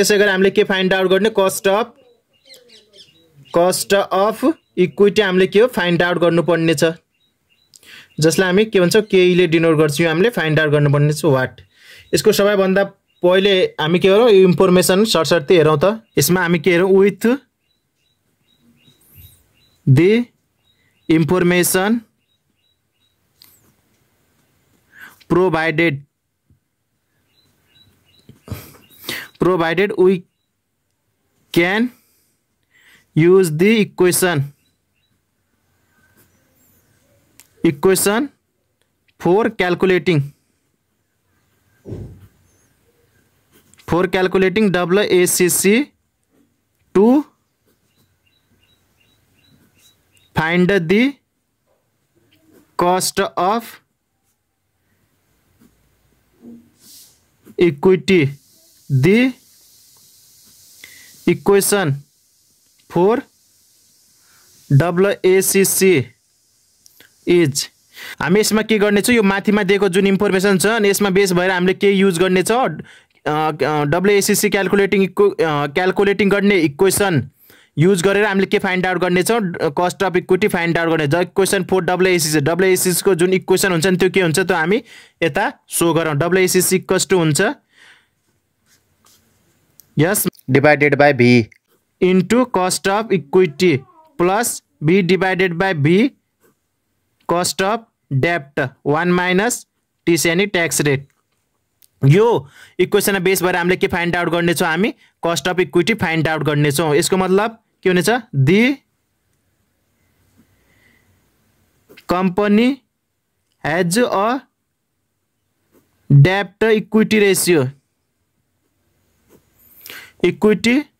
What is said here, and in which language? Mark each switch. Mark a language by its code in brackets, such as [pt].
[ne] त्यसै गरी हामीले के फाइन्ड आउट गर्ने, कस्ट अफ इक्विटी हामीले के हो फाइन्ड आउट गर्नुपर्ने छ, जसलाई हामी के भन्छौँ केईले डिनोट गर्छौँ हामीले फाइन्ड आउट गर्नुपर्ने छ वाट। यसको सबैभन्दा पहिले हामी के गरौँ, इन्फर्मेसन सर्सर्ती हेरौँ त। यसमा हामी के हेरौँ, [en] With the information provided we can use the equation for calculating WACC to find the cost of equity. The equation for WACC is, [ne] हामी यसमा के गर्नेछौँ, यो माथिमा दिएको जुन इन्फर्मेसन छ अनि यसमा बेस भएर हामीले के युज गर्नेछौँ, WACC क्यालकुलेटिङ गर्ने इक्वेसन युज गरेर हामीले के फाइन्ड आउट गर्नेछौँ, cost of equity find out गर्ने इक्वेसन फोर WACC। WACC को जुन इक्वेसन हुन्छ नि त्यो के हुन्छ, त्यो हामी यता सो गरौँ। WACC कस्ट हुन्छ यस [en] Divided by V into cost of equity plus be divided by V cost of dept 1 - TC any tax rate. [ne] यो इक्वेसन बेस भएर हामीले के फाइन्ड आउट गर्नेछौँ, हामी cost of equity find out गर्नेछौँ। यसको मतलब के हुनेछ, [en] the company has a dept equity ratio, equity